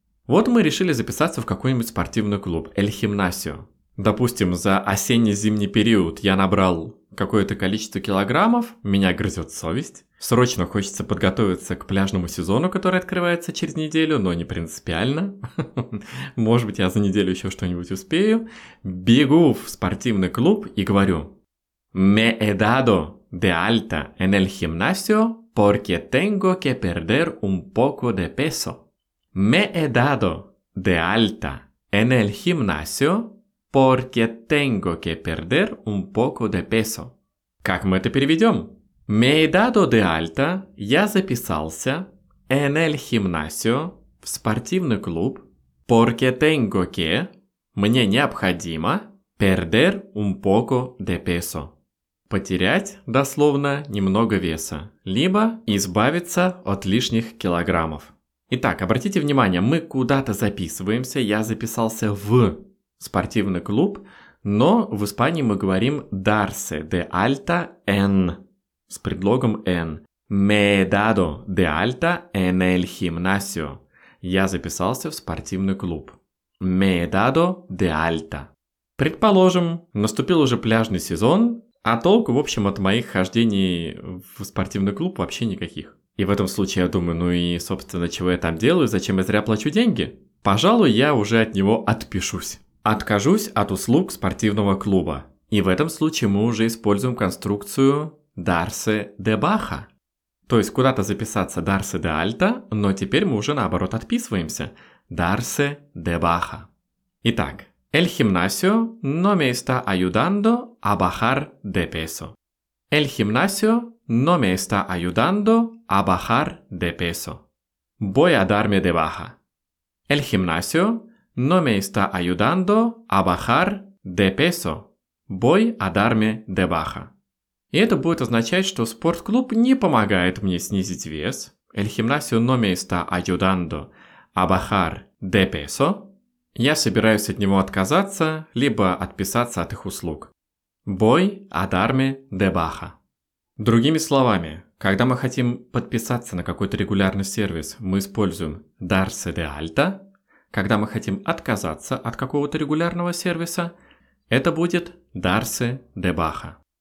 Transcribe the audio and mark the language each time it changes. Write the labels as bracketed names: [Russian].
[Russian] Вот мы решили записаться в какой-нибудь спортивный клуб «эль гимнасио». Допустим, за осенне-зимний период я набрал какое-то количество килограммов, меня грызет совесть. Срочно хочется подготовиться к пляжному сезону, который открывается через неделю, но не принципиально. Может быть, я за неделю еще что-нибудь успею. Бегу в спортивный клуб и говорю: [Spanish] «Me he dado de alta en el gimnasio porque tengo que perder un poco de peso». «Me he dado de alta en el gimnasio porque tengo que perder un poco de peso». [Russian] Как мы это переведем? [Spanish] «Me he dado de alta» – [Russian] я записался [Spanish] «en el gimnasio» – [Russian] в спортивный клуб [Spanish] «porque tengo que» – [Russian] мне необходимо [Spanish] «perder un poco de peso». [Russian] Потерять, дословно, немного веса, либо избавиться от лишних килограммов. Итак, обратите внимание, мы куда-то записываемся, я записался в спортивный клуб, но в Испании мы говорим [Spanish] «darse de alta en» [Russian] с предлогом «en». [Spanish] «Me he dado de alta en el gimnasio». [Russian] Я записался в спортивный клуб. [Spanish] «Me he dado de alta». [Russian] Предположим, наступил уже пляжный сезон, а толку, в общем, от моих хождений в спортивный клуб вообще никаких. И в этом случае я думаю, ну и, собственно, чего я там делаю, зачем я зря плачу деньги? Пожалуй, я уже от него отпишусь. Откажусь от услуг спортивного клуба. И в этом случае мы уже используем конструкцию [Spanish] «дарсе де баха». [Russian] То есть куда-то записаться [Spanish] «дарсе де альта», [Russian] но теперь мы уже наоборот отписываемся. [Spanish] «Дарсе де баха». [Russian] Итак, [Spanish] «el gimnasio no me está ayudando a bajar de peso». «El gimnasio no me está ayudando a bajar de peso». «Voy a darme de baja». «El gimnasio no me está ayudando a bajar de peso». «Voy a darme de baja». [Russian] И это будет означать, что спортклуб не помогает мне снизить вес. [Spanish] «El gimnasio no me está ayudando a bajar de peso». [Russian] Я собираюсь от него отказаться, либо отписаться от их услуг. [Spanish] «Voy a darme de baja». [Russian] Другими словами, когда мы хотим подписаться на какой-то регулярный сервис, мы используем [Spanish] «darse de alta». [Russian] Когда мы хотим отказаться от какого-то регулярного сервиса, это будет [Spanish] «darse de baja».